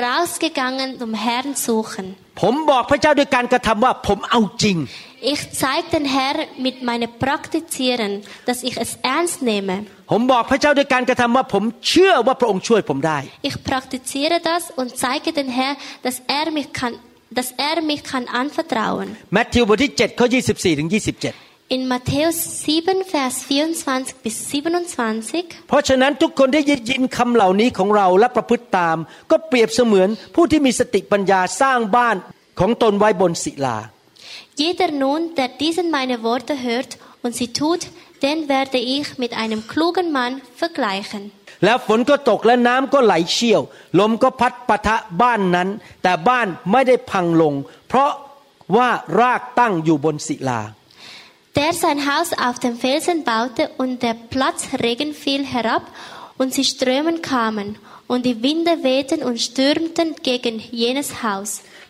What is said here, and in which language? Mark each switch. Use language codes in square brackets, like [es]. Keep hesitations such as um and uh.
[de] rausgegangen um Herrn suchen. [th] ผมบอกพระเจ้าด้วยการกระทำว่าผมเอาจริง [de] ich zeige den Herrn mit meinen Praktizieren dass ich es ernst nehme [th] ผมบอกพระเจ้าด้วยการกระทำว่าผมเชื่อว่าพระองค์ช่วยผมได้ [de] ich praktiziere das und zeige den Herrn dass er mich kann dass er mich kann anvertrauen [th] Matthew บทที่7ข้อ24ถึง27 [de] In m a t t h ä u 7, Vers 24 b i 27. [th] เพราะฉะนั้นทุกคนที่ยินคำเหล่านี้ของเราและประพฤติตาม ก็เปรียบเสมือนผู้ที่มีสติปัญญาสร้างบ้านของตนไว้บนศิลา [de] Jeder nun, der diesen meine Worte hört und sie tut, den werde ich mit einem klugen Mann vergleichen. [th] แล้วฝนก็ตกและน้ำก็ไหลเชี่ยว ลมก็พัดปะทะบ้านนั้น แต่บ้านไม่ได้พังลง เพราะว่ารากตั้งอยู่บนศิลา [de] der sein Haus auf dem Felsen baute und der Platz Regen fiel herab und sie strömen kamen und die Winde wehten und stürmten gegen jenes Haus.